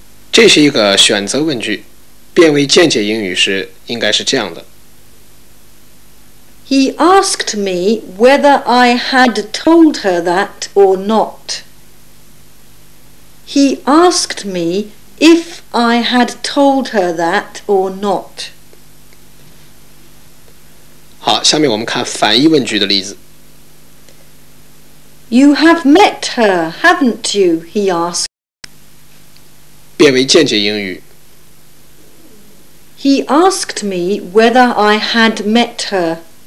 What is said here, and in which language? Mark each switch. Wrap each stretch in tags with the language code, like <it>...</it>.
<zh>这是一个选择问句，变为间接引语时应该是这样的。</zh> <en>He asked me whether I had told her that or not. He asked me if I had told her that or not.</en> <zh>好，下面我们看反义问句的例子。</zh> <en>You have met her, haven't you? He asked.</en> <zh>变为间接引语。</zh> <en>He asked me whether I had met her.</en>